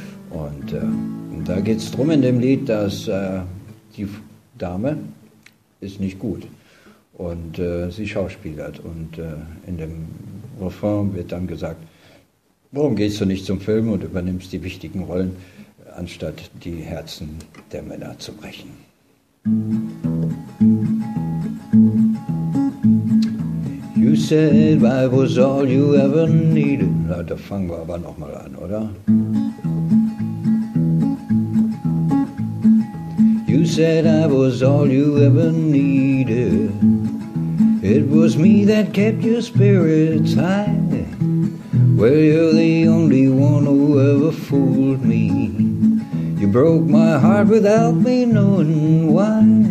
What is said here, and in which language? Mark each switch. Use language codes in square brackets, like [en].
[de] Und da geht es drum in dem Lied, dass die Dame ist nicht gut. Und sie schauspielert, und in dem Refrain wird dann gesagt, warum gehst du nicht zum Film und übernimmst die wichtigen Rollen, anstatt die Herzen der Männer zu brechen. [en] You said I was all you ever needed. [de] Na, da fangen wir aber nochmal an, oder? [en] You said I was all you ever needed. It was me that kept your spirits high. Well, you're the only one who ever fooled me. You broke my heart without me knowing why.